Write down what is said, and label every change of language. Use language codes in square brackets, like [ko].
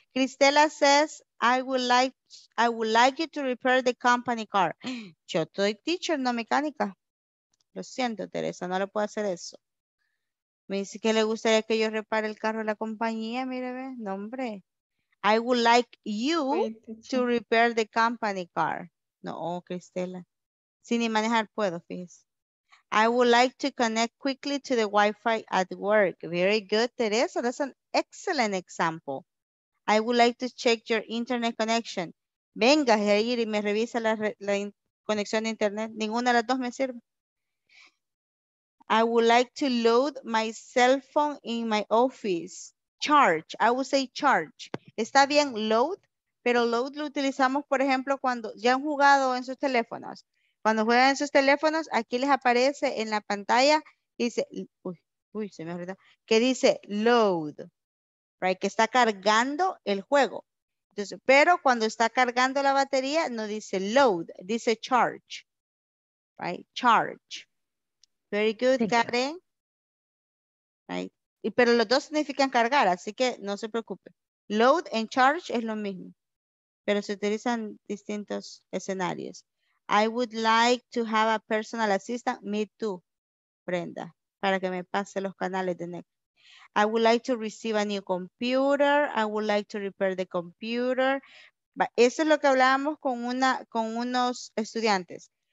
[en] Cristela says, I would like you to repair the company car. [es] Yo soy teacher, no mecánica. Lo siento, Teresa, no le puedo hacer eso. Me dice que le gustaría que yo repare el carro de la compañía. Mire, ve. No, hombre. [en] I would like you to repair the company car. [es] No, Cristela. Sin ni manejar puedo, fíjese. [en] I would like to connect quickly to the Wi-Fi at work. Very good, Teresa. That's an excellent example. I would like to check your internet connection. [es] Venga, Jair, y me revisa la conexión de internet. Ninguna de las dos me sirve. [en] I would like to load my cell phone in my office. Charge, I would say charge. [es] Está bien load, pero load lo utilizamos, por ejemplo, cuando ya han jugado en sus teléfonos. cuando juegan sus teléfonos, aquí les aparece en la pantalla, dice, uy, se me olvidó, que dice load, right, que está cargando el juego. Entonces, pero cuando está cargando la batería, no dice load, dice charge, right, charge. [en] Very good, Karen. Right. [es] Y, pero los dos significan cargar, así que no se preocupe. Load and charge es lo mismo, pero se utilizan distintos escenarios. [en] I would like to have a personal assistant. Me too, [es] Brenda, para que me pase los canales de Netflix. [en] I would like to receive a new computer. I would like to repair the computer. [es] Eso es lo que hablábamos con unos estudiantes.